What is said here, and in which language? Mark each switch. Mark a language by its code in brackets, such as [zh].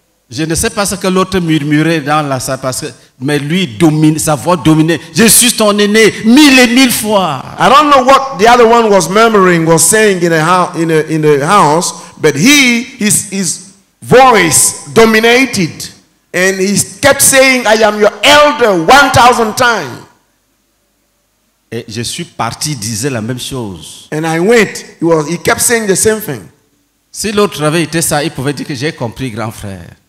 [fr] Je ne sais pas ce que l'autre murmurait dans la salle, parce que, mais lui, domine, sa voix dominait. Je suis ton aîné mille et mille fois. [en] I don't know what the other one was murmuring, was saying in the house, but his voice dominated. And he kept saying, I am your elder 1,000 times. [fr] Et je suis parti, disait la même chose. [en] And I went, he kept saying the same thing. [fr] Si l'autre avait été ça, il pouvait dire que j'ai compris, grand frère.